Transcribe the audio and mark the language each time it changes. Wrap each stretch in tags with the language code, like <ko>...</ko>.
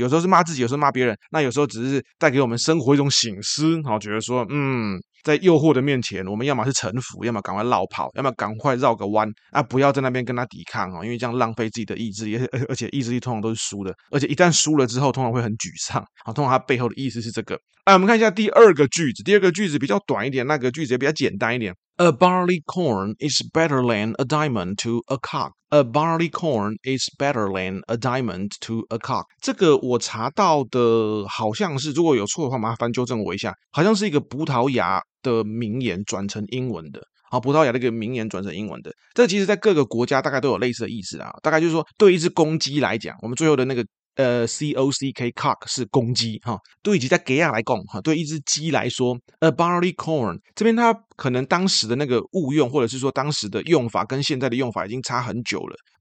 <zh>有时候是骂自己，有时候骂别人，那有时候只是带给我们生活一种醒思，好，觉得说，在诱惑的面前，我们要么是臣服，要么赶快绕跑，要么赶快绕个弯啊，不要在那边跟他抵抗，因为这样浪费自己的意志力，而且意志力通常都是输的，而且一旦输了之后通常会很沮丧，通常他背后的意思是这个。哎，我们看一下第二个句子，第二个句子比较短一点，那个句子也比较简单一点。</zh> <en>A barley corn is better than a diamond to a cock. A barley corn is better than a diamond to a cock.</en> <zh>这个我查到的好像是，如果有错的话麻烦纠正我一下，好像是一个葡萄牙的名言转成英文的。好，葡萄牙的一个名言转成英文的。这其实在各个国家大概都有类似的意思啦。大概就是说对一只公鸡来讲，我们最后的那个C-O-C-K cock 是公鸡，对，即在给亚来讲，对一只鸡来说</zh> <en>A barley corn，</en> <zh>这边它可能当时的那个误用，或者是说当时的用法跟现在的用法已经差很久了。</zh>